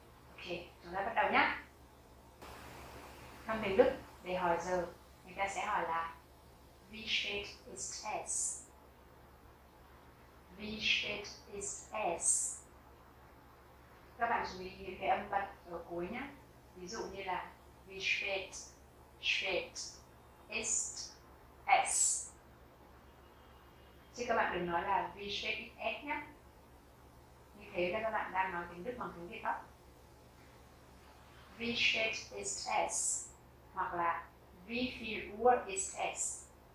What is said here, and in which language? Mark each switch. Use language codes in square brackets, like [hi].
[vi] Ok, chúng ta bắt đầu nhá. Trong tiếng Đức, để hỏi giờ, người ta sẽ hỏi là [de] Wie spät ist es? Wie spät ist es? [vi] Các bạn chú ý những cái âm bật ở cuối nhé. Ví dụ như là [de] Wie spät, spät, ist, es. [vi] Chứ các bạn đừng nói là [de] Wie spät ist es [vi] nhé. Như thế là các bạn đang nói tiếng Đức bằng tiếng Việt đó. [de] Wie spät ist es? Hoặc là Wie viel Uhr ist es?